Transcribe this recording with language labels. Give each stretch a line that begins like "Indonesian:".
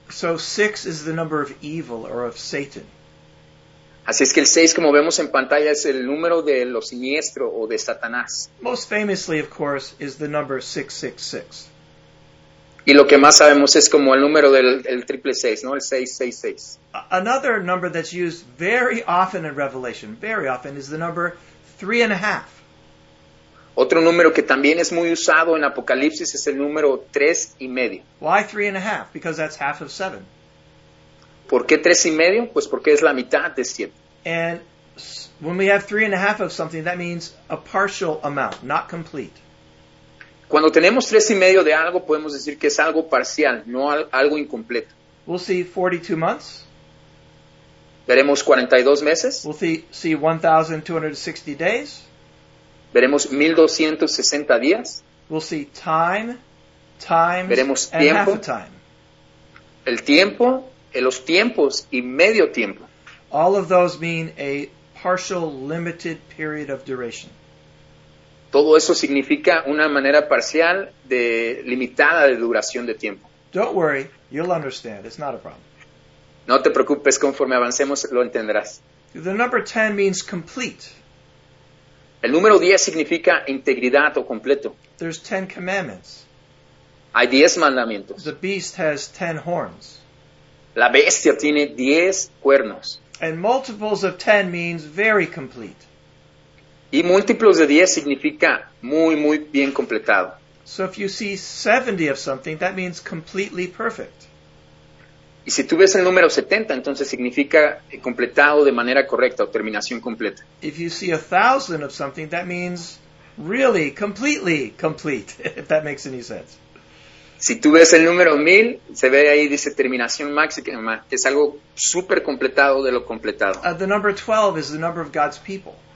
English: So six is the number of evil or of Satan.
Spanish: Así es que el 6, como vemos en pantalla, es el número de lo siniestro o de Satanás.
English: Most famously, of course, is the number 666.
Spanish: Y lo que más sabemos es como el número del triple 6, ¿no? El 666.
English: Another number that's used very often in Revelation, very often, is the number 3.5.
Spanish: Otro número que también es muy usado en Apocalipsis es el número 3.5.
English: Why 3.5? Because that's half of 7.
Spanish: ¿Por qué 3.5? Pues porque es la mitad de 7.
English: And when we have 3.5 of something, that means a partial amount, not complete.
Spanish: Cuando tenemos 3.5 de algo, podemos decir que es algo parcial, no algo incompleto.
English: We'll see 42 months.
Spanish: Veremos 42 meses.
English: We'll see 1,260 days.
Spanish: Veremos 1,260 días.
English: We'll see time, times,
Spanish: veremos tiempo,
English: and half a time.
Spanish: El tiempo, los tiempos y medio tiempo.
English: All of those mean a partial, limited period of duration.
Spanish: Todo eso significa una manera parcial de limitada de duración de tiempo.
English: Don't worry, you'll understand. It's not a problem.
Spanish: No te preocupes, conforme avancemos lo entenderás.
English: The number 10 means complete.
Spanish: El número 10 significa integridad o completo.
English: There's 10 commandments.
Spanish: Hay 10 mandamientos.
English: The beast has 10 horns.
Spanish: La bestia tiene 10 cuernos.
English: And multiples of 10 means very complete.
Spanish: Y múltiplos de 10 significa muy, muy bien completado.
English: So if you see 70 of something, that means completely perfect.
Spanish: Y si tú ves el número 70, entonces significa completado de manera correcta o terminación completa.
English: If you see 1,000 of something, that means really completely complete, if that makes any sense.
Spanish: Si tú ves el número 1,000, se ve ahí, dice terminación máxima, es algo súper completado de lo completado.
English: The number 12 is the number of God's people.